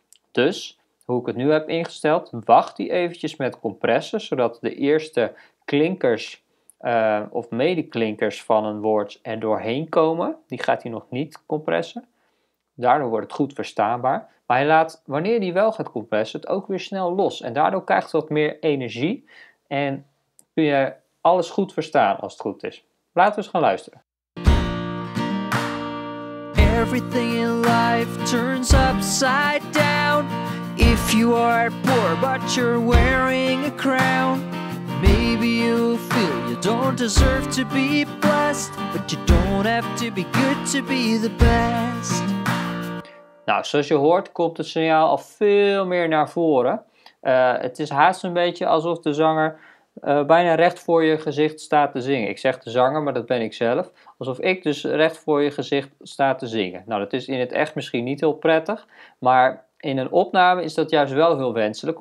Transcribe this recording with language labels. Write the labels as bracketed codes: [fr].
[nl] Dus, hoe ik het nu heb ingesteld, wacht hij eventjes met compressen, zodat de eerste klinkers of medeklinkers van een woord er doorheen komen. Die gaat hij nog niet compressen. Daardoor wordt het goed verstaanbaar. Maar hij laat, wanneer hij wel gaat compressen, het ook weer snel los. En daardoor krijgt het wat meer energie. En kun je alles goed verstaan als het goed is. Laten we eens gaan luisteren. [en] Everything in life turns upside down. If you are poor but you're wearing a crown, maybe you feel you don't deserve to be blessed, but you don't have to be good to be the best. [nl] Nou, zoals je hoort komt het signaal al veel meer naar voren. Het is haast een beetje alsof de zanger bijna recht voor je gezicht staat te zingen. Ik zeg de zanger, maar dat ben ik zelf. Alsof ik dus recht voor je gezicht staat te zingen. Nou, dat is in het echt misschien niet heel prettig. Maar in een opname is dat juist wel heel wenselijk.